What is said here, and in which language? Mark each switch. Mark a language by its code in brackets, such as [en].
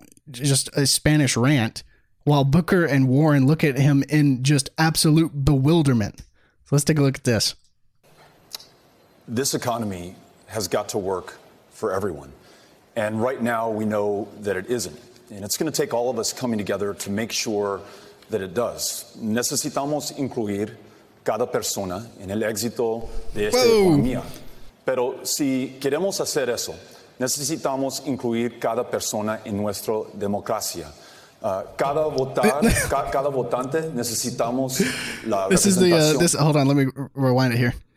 [en] just a Spanish rant while Booker and Warren look at him in just absolute bewilderment. So let's take a look at this. This economy has got to work for everyone. And right now we know that it isn't. And it's going to take all of us coming together to make sure that it does. [es] Necesitamos incluir cada persona en el éxito de esta economía. Pero si queremos hacer eso, necesitamos incluir cada persona en nuestra democracia. Cada votar, cada votante necesitamos la representación. [en] This is the, this, hold on, let me rewind it here.